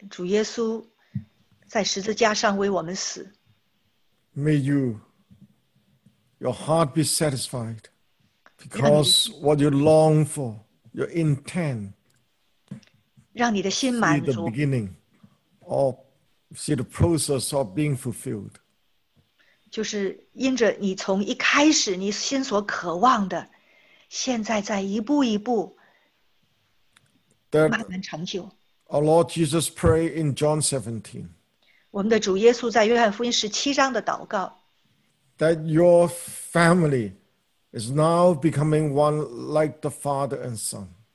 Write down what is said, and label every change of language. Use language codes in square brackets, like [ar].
[zh] 当我们纪念主耶稣在十字架上为我们死, [en] may you, your heart be satisfied because what you long for, your intent, [zh] 让你的心满足, [en] see the beginning or see the process of being fulfilled. [zh] 就是因着你从一开始你心所渴望的，现在在一步一步慢慢成就。 [en] Our Lord Jesus prayed in John 17. [zh] 我们的主耶稣在约翰福音17章的祷告。 [en] That your family is now becoming one like the Father and Son.